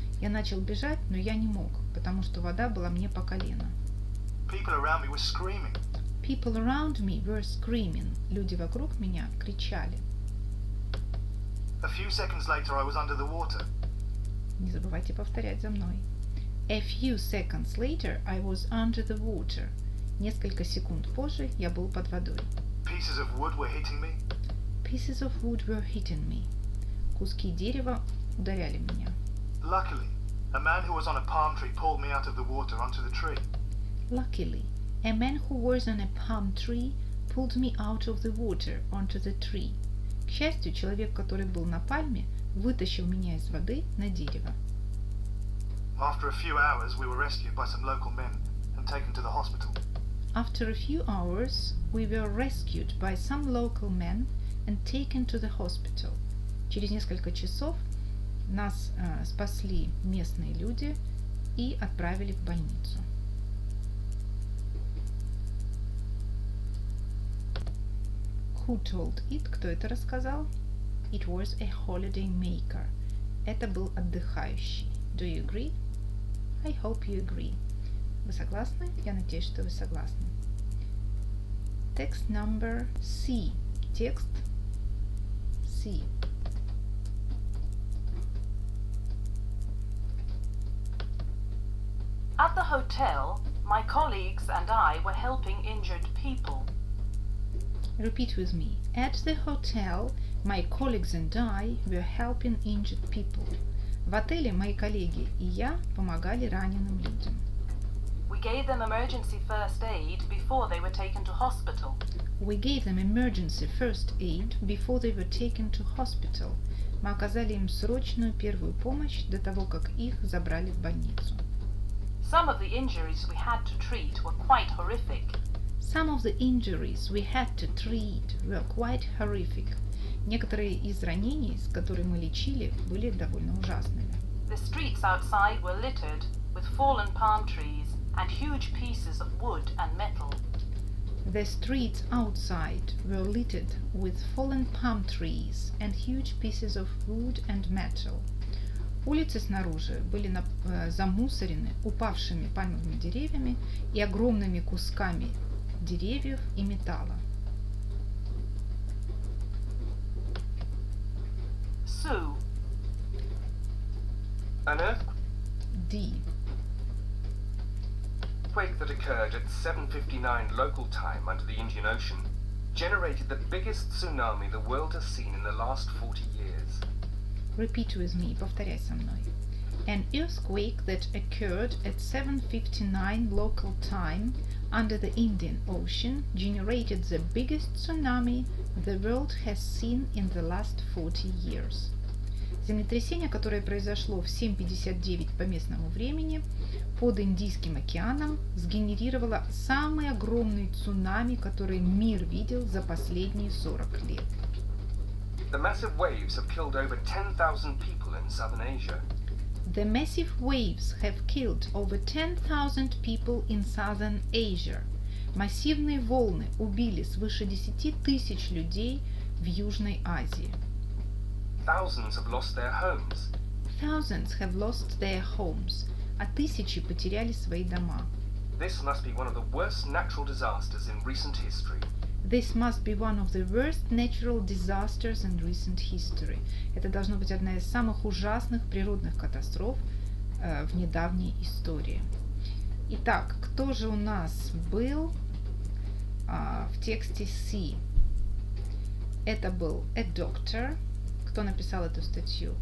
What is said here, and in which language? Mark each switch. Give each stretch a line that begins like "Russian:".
Russian: Я начал бежать, но я не мог, потому что вода была мне по колено.
English: People around me were screaming. People around me were screaming.
Russian: Люди вокруг меня кричали.
English: A few seconds later, I was under the water.
Russian: Не забывайте повторять за мной.
English: A few seconds later, I was under the water.
Russian: Несколько секунд позже я был под водой.
English: Pieces of wood were hitting me. Pieces of wood were hitting me.
Russian: Куски дерева ударяли меня.
English: Luckily, a man who was on a palm tree pulled me out of the water onto the tree. Luckily, a man who was on a palm tree pulled me out of the water onto the tree.
Russian: К счастью, человек, который был на пальме, вытащил меня из воды на дерево.
English: After a few hours, we were rescued by some local men and taken to the hospital. After a few hours, we were rescued by some local men and taken to the hospital.
Russian: Через несколько часов нас спасли местные люди и отправили в больницу.
English: Who told it?
Russian: Кто это рассказал?
English: It was a holiday maker.
Russian: Это был отдыхающий.
English: Do you agree? I hope you agree.
Russian: Вы согласны? Я надеюсь, что вы согласны.
English: Text number C.
Russian: Текст C.
English: At the hotel, my colleagues and I were helping injured people. Repeat with me. At the hotel, my colleagues and I were helping injured people.
Russian: В отеле мои коллеги и я помогали раненым людям.
English: We gave them emergency first aid before they were taken to hospital. We gave them emergency first aid before they were taken to hospital.
Russian: Мы оказали им срочную первую помощь до того, как их забрали в больницу.
English: Some of the injuries we had to treat were quite horrific. Some of the injuries we had to treat were quite horrific.
Russian: Некоторые из ранений, с которыми мы лечили, были довольно ужасными.
English: The streets outside were littered with fallen palm trees and huge pieces of wood and metal. The streets outside were littered with fallen palm trees and huge pieces of wood and metal.
Russian: Улицы снаружи были замусорены упавшими пальмовыми деревьями и огромными кусками деревьев и металла.
English: Sue. Manners? D. Quake that occurred at 7:59 local time under the Indian Ocean generated the biggest tsunami the world has seen in the last 40 years. Repeat with me,
Russian: повторяй со мной.
English: An earthquake that occurred at 7:59 local time under the Indian Ocean generated the biggest tsunami the world has seen in the last 40 years.
Russian: Землетрясение, которое произошло в 7:59 по местному времени под Индийским океаном, сгенерировало самый огромный цунами, который мир видел за последние 40 лет.
English: The massive waves have killed over 10,000 people in Southern Asia. The massive waves have killed over 10,000 people in Southern Asia.
Russian: Массивные волны убили свыше 10,000 людей в Южной Азии.
English: Thousands have lost their homes. Thousands have lost their homes.
Russian: А тысячи потеряли свои дома.
English: This must be one of the worst natural disasters in recent history. This must be one of the worst natural disasters in recent history.
Russian: Это должно быть одна из самых ужасных природных катастроф в недавней истории. Итак, кто же у нас был в тексте C? Это был
English: a doctor.
Russian: Кто написал эту статью?